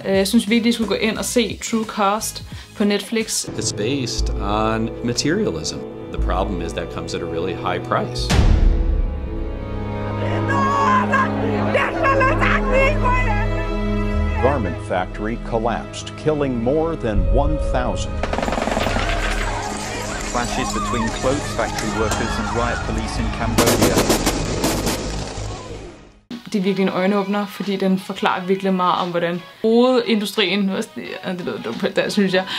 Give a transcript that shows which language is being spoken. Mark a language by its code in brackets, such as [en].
[da] Jeg synes virkelig, at I skulle gå ind og se True Cost på Netflix. [en] It's based on materialism. The problem is, that comes at a really high price. Garment factory collapsed, killing more than 1,000. Clashes between clothes factory workers and riot police in Cambodia. [da] Det er virkelig en øjenåbner, fordi den forklarer virkelig meget om, hvordan modeindustrien, det lyder dumt på det, synes jeg.